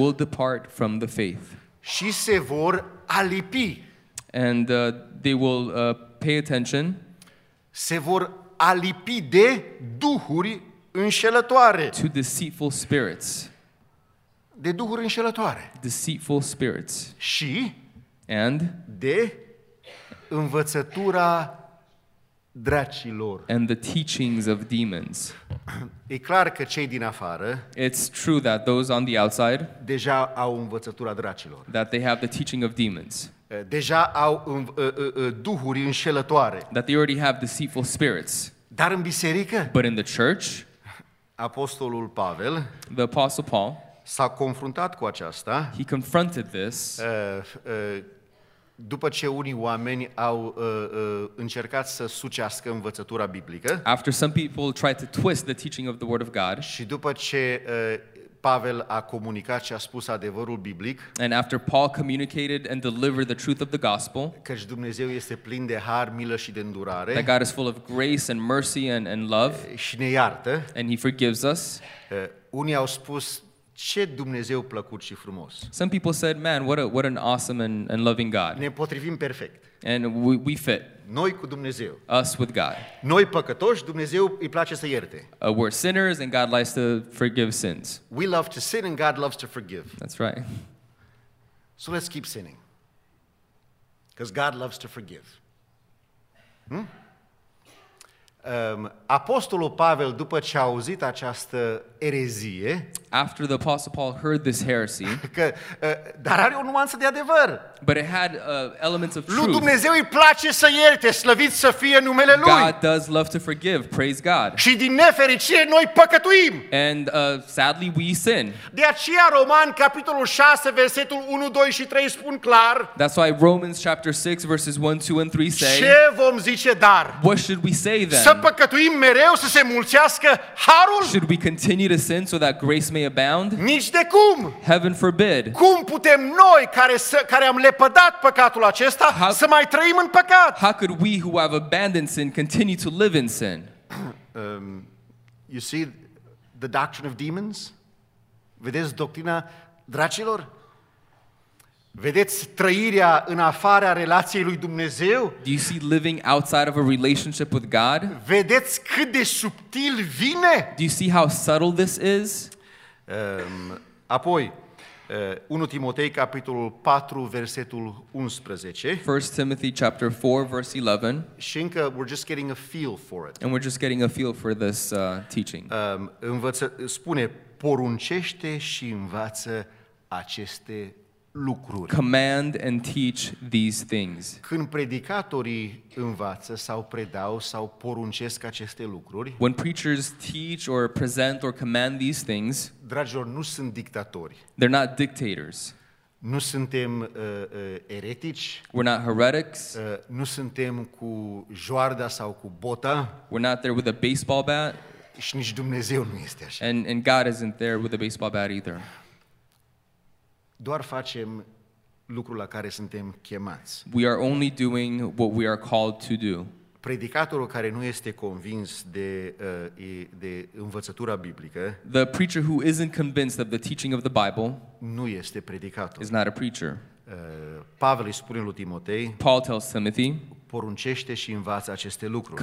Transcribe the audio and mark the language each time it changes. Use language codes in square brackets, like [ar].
[en] will depart from the faith, [ro] și se vor alipi, [en] and they will pay attention, [ro] se vor alipi de duhuri înșelătoare, [en] to deceitful spirits, [ro] de duhuri înșelătoare, [en] deceitful spirits, [ro] și [en] and [ro] de învățătura dracilor, [en] and the teachings of demons. [ro] E clar că cei din afară, [en] it's true that those on the outside, [ro] deja au învățătura dracilor, [en] that they have the teaching of demons, [ro] deja au duhuri înșelătoare, [en] that they already have deceitful spirits. [ro] Dar în biserică, [en] but in the church, [ro] Apostolul Pavel, [en] the Apostle Paul, [ro] s-a confruntat cu aceasta. [en] He confronted this. [ro] După ce unii oameni au încercat să sucească învățătura biblică. [en] After some people tried to twist the teaching of the word of God. [ro] Și după ce Pavel a comunicat și a spus adevărul biblic. [en] And after Paul communicated and delivered the truth of the gospel. [ro] Căci Dumnezeu este plin de har, milă și de îndurare. [en] That God is full of grace and mercy and love. [ro] Și ne iartă. [en] And he forgives us. [ro] Unii au spus, ce Dumnezeu plăcut și frumos. [en] Some people said, man, what an awesome and loving God. [ro] Ne potrivim perfect. [en] And we fit. [ro] Noi cu Dumnezeu. [en] Us with God. [ro] Noi păcătoși, Dumnezeu îi place să ierte. [en] We're sinners and God likes to forgive sins. We love to sin and God loves to forgive. That's right. So let's keep sinning. Because God loves to forgive. [ro] Apostolul Pavel, după ce a auzit această erezie, [en] after the Apostle Paul heard this heresy, [ro] că, dar are o nuanță de adevăr. [en] But it had elements of truth. [ro] Lui Dumnezeu îi place să ierte, slăvit să fie numele Lui. [en] God does love to forgive, praise God. [ro] Și din nefericire noi păcătuim. [en] And sadly we sin. [ro] De aceea Roman capitolul 6 versetul 1, 2 și 3 spun clar. [en] That's why Romans chapter 6 verses 1, 2 and 3 say. [ro] Ce vom zice dar? [en] What should we say then? [ro] Să păcătuim mereu să se mulțească harul? [en] Should we continue to sin so that grace may abound? [ro] Nici de cum. [en] Heaven forbid. [ro] Cum putem noi care am lepădat păcatul acesta să mai trăim în păcat? [en] How could we who have abandoned sin continue to live in sin? You see the doctrine of demons? [ro] Vedeți doctrina dracilor? Vedeți trăirea în afara relației lui Dumnezeu? [en] Do you see living outside of a relationship with God? [ro] Vedeți cât de subtil vine? [en] Do you see how subtle this is? [ro] Apoi, 1 Timotei capitolul 4 versetul 11. [en] 1 Timothy chapter 4 verse 11. [ro] Și încă [en] we're just getting a feel for it. And we're just getting a feel for this teaching. [ro] Spune poruncește și învață aceste lucruri. [en] Command and teach these things. [ro] Când predicatorii învață sau predau sau poruncesc aceste lucruri, [en] when preachers teach or present or command these things, [ro] dragilor, nu sunt dictatori. [en] They're not dictators. [ro] Nu suntem eretici. [en] We're not heretics. [ro] Nu suntem cu joarda sau cu bota. [en] We're not there with a baseball bat. [ro] Și nici Dumnezeu nu este așa. [en] And God isn't there with a baseball bat either. [ro] Doar facem lucrul la care suntem chemați. [en] We are only doing what we are called to do. [ro] predicatorul care nu este convins de învățătura biblică, [en] the preacher who isn't convinced of the teaching of the Bible, [ro] nu este predicator. [en] Is not a preacher. [ro] Pavel îi spune lui Timotei, [en] Paul tells Timothy, [ro] poruncește și învață aceste lucruri.